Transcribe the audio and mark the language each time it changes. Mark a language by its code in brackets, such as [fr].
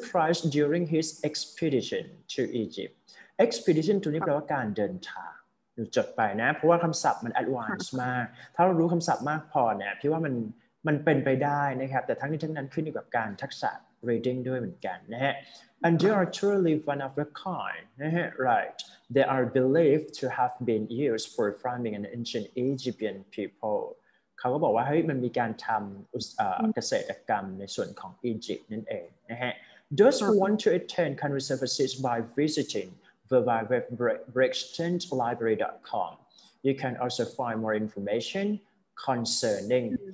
[en] Price during his expedition to Egypt expedition [th] ตัวนี้แปลว่าการเดินทางจดไปนะเพราะว่าคำศัพท์มัน advance มากถ้าเรารู้คำศัพท์มากพอเนี่ยพี่ว่ามันเป็นไปได้นะครับแต่ทั้งนี้ทั้งนั้นขึ้นอยู่กับการทักษะ reading ด้วยเหมือนกันนะฮะ [en] And they are truly one of a kind, right? They are believed to have been used for farming in ancient Egyptian people. [th] เขาก็บอกว่าเฮ้ยมันมีการทำเกษตรกรรมในส่วนของอียิปต์นั่นเองนะฮะ [en] Those who want to attend can reserve a seat by visiting www.brixtonlibrary.com. You can also find more information concerning.